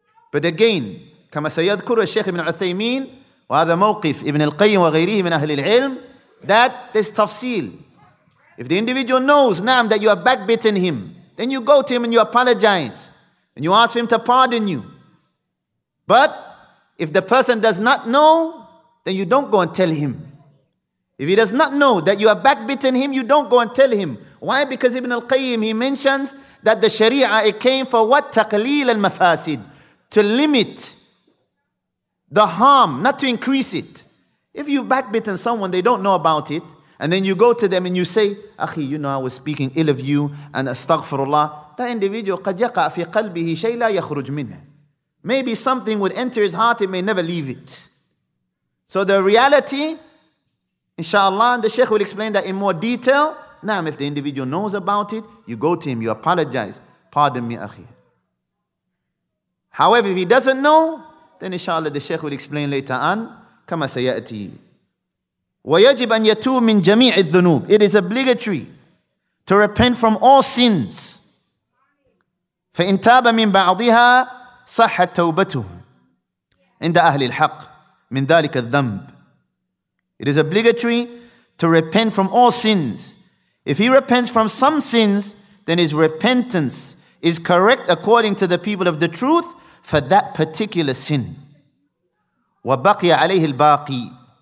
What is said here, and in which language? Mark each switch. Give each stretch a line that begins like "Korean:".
Arabic: But again, كما سيذكر الشيخ ابن عثيمين وهذا موقف ابن القيم وغيره من أهل العلم, that this tafsil.
English: If the individual knows, نعم, that you have backbitten him, then you go to him and you apologize and you ask him to pardon you. But if the person does not know, then you don't go and tell him. If he does not know that you have backbitten him, you don't go and tell him. Why? Because Ibn al-Qayyim, he mentions that the Sharia, it came for what? Taqleel al-mafasid. To limit the harm, not to increase it. If you backbitten someone, they don't know about it, and then you go to them and you say, Akhi, you know I was speaking ill of you, and astaghfirullah.
Arabic: That individual, قَدْ يَقَعَ فِي قَلْبِهِ شَيْ لَا يَخْرُجْ مِنْهِ.
English: Maybe something would enter his heart, it may never leave it. So the reality, inshallah, and the Shaykh will explain that in more detail. Now, if the individual knows about it, you go to him, you apologize. Pardon me, akhi. However, if he doesn't know, then inshallah, the Shaykh will explain later on. كَمَا سَيَأْتِي.
Arabic: ويجب أن يتوب من جميع الذنوب.
English: It is obligatory to repent from all sins.
Arabic: فإن تاب من بعضها صحت توبته عند أهل الحق من ذلك الذنب.
English: It is obligatory to repent from all sins. If he repents from some sins, then his repentance is correct according to the people of the truth for that particular sin.
Arabic: وَبَقِيَ عَلَيْهِ الْبَاقِي.